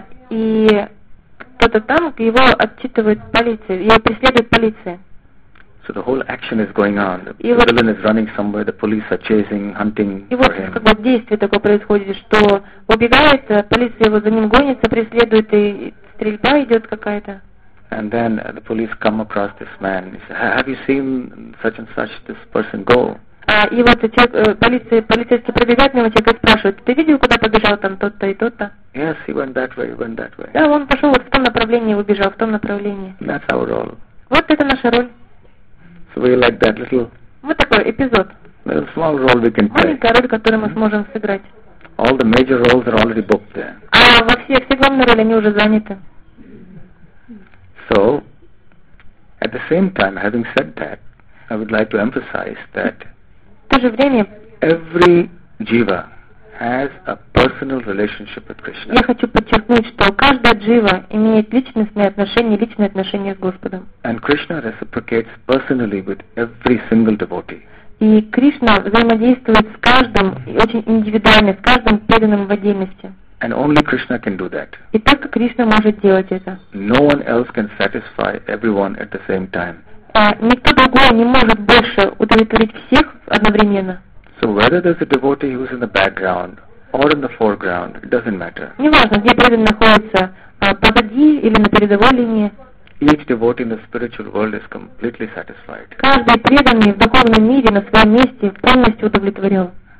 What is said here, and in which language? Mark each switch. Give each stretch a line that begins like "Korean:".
Russian: И кто-то там его отчитывает полиция, его преследует полиция.
English: So the whole action is going on. The villain is running somewhere. The police are chasing, hunting for him.
Russian: И вот как бы действие такое происходит, что убегает, полиция его за ним гонится, преследует, и стрельба идет какая-то.
English: And then the police come across this man. He says, "Have you seen such and such this person go?"
Russian: И вот человек, полицейский пробегает мимо человека и спрашивает, ты видел, куда побежал там тот-то и тот-то?
English: Yes, he went that way, went that way.
Russian: Да, он пошел вот в том направлении, убежал в том направлении.
English: That's our role.
Russian: Вот это наша роль.
English: So we like that little...
Russian: Вот такой эпизод.
English: Little small role we can play.
Russian: Маленькая роль, которую мы сможем сыграть.
English: All the major roles are already booked there.
Russian: А во все главные роли, они уже заняты.
English: So, at the same time, having said that, I would like to emphasize that
Russian: в то же время
English: every jiva has a personal relationship with Krishna.
Russian: Я хочу подчеркнуть, что каждая джива имеет личностные отношения, личные отношения с Господом.
English: And Krishna reciprocates personally with every single devotee.
Russian: И Кришна взаимодействует с каждым очень индивидуально, с каждым преданным в отдельности.
English: And only Krishna can do that.
Russian: И только Кришна может делать это.
English: No one else can satisfy everyone at the same time.
Russian: Никто другой не может больше удовлетворить всех одновременно.
English: So whether there's a devotee who's in the background or in the foreground, it doesn't matter.
Russian: Неважно, где преданный находится, позади или на передовой линии.
English: Each devotee in the spiritual world is completely satisfied.
Russian: Каждый преданный в духовном мире на своем месте полностью удовлетворен.